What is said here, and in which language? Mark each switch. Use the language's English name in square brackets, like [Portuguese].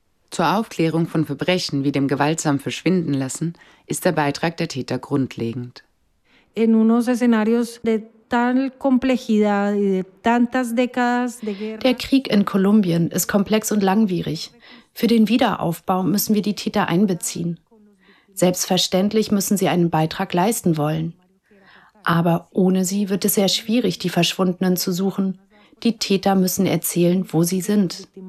[German] Zur Aufklärung von Verbrechen wie dem gewaltsam Verschwinden lassen ist der Beitrag der Täter grundlegend. [Spanish] In unos escenarios de tal complejidad y de tantas décadas de guerra. [German] Der Krieg in Kolumbien ist komplex und langwierig. Für den Wiederaufbau müssen wir die Täter einbeziehen. Selbstverständlich müssen sie einen Beitrag leisten wollen. Aber ohne sie wird es sehr schwierig, die Verschwundenen zu suchen. Die Täter müssen erzählen, wo sie sind.